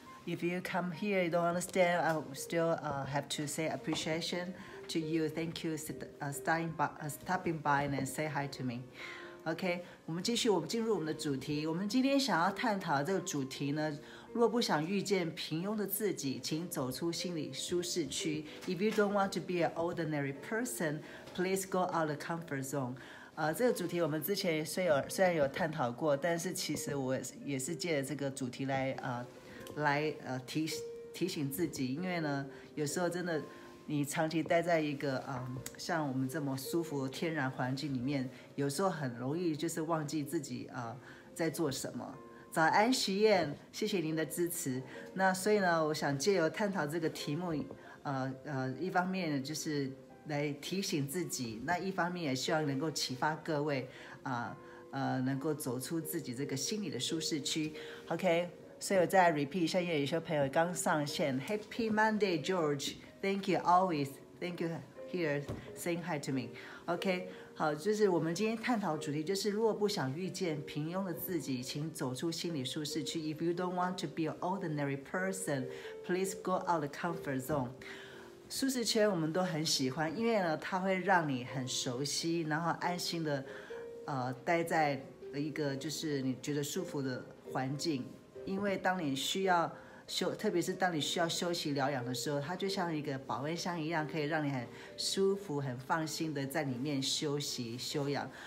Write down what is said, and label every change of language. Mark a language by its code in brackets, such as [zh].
[en] If you come here, you don't understand, I still have to say appreciation. To you, thank you stopping by and say hi to me. [zh] OK, 我们继续，我们进入我们的主题。我们今天想要探讨这个主题呢，若不想遇见平庸的自己，请走出心理舒适区。 [en] If you don't want to be an ordinary person, please go out the comfort zone. [zh] 这个主题我们之前虽然有探讨过，但是其实我也是借着这个主题来提醒自己，因为呢，有时候真的。你长期待在一个像我们这么舒服的天然环境里面，有时候很容易就是忘记自己在做什么。早安，徐燕，谢谢您的支持。那所以呢，我想借由探讨这个题目，一方面就是来提醒自己，那一方面也希望能够启发各位能够走出自己这个心理的舒适区。 OK， 所以我再 repeat 一下，也有些朋友刚上线 ， [en] Happy Monday, George。Thank you, always. Thank you, here, saying hi to me. [zh] OK, 好，就是我们今天探讨主题就是若不想遇见平庸的自己，请走出心理舒适区。 [en] If you don't want to be an ordinary person, please go out the comfort zone. [zh] 舒适圈我们都很喜欢，因为呢，它会让你很熟悉，然后安心的待在一个就是你觉得舒服的环境。因为当你需要特别是当你需要休息疗养的时候，它就像一个保温箱一样，可以让你很舒服很放心的在里面休息休养。